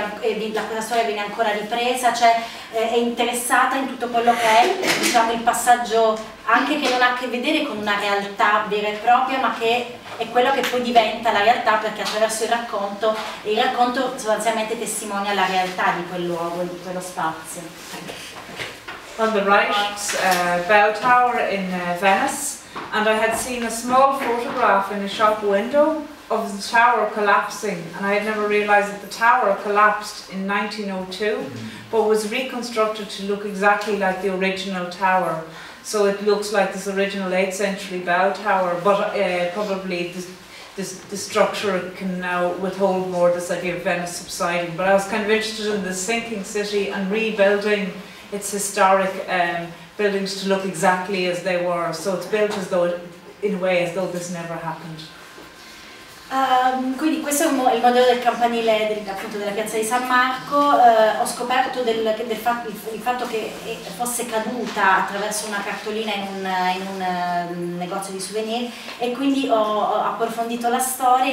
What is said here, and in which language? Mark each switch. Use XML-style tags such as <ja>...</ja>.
<it>e questa storia viene ancora ripresa, cioè è interessata in tutto quello che è, diciamo, il passaggio anche che non ha a che vedere con una realtà vera e propria, ma che è quello che poi diventa la realtà, perché attraverso il racconto sostanzialmente testimonia la realtà di quel luogo, di quello spazio.</it> <en>On the right, bell tower in Venice, and I had seen a small photograph in a shop window of the tower collapsing, and I had never realized that the tower collapsed in 1902, but was reconstructed to look exactly like the original tower. So it looks like this original 8th century bell tower, but probably the structure can now withhold more, this idea of Venice subsiding. But I was kind of interested in the sinking city and rebuilding its historic buildings to look exactly as they were. So it's built as though, in a way, as though this never happened.</en> <it>Quindi questo è il modello del campanile appunto della piazza di San Marco. Ho scoperto il fatto che fosse caduta attraverso una cartolina in un negozio di souvenir, e quindi ho approfondito la storia.</it>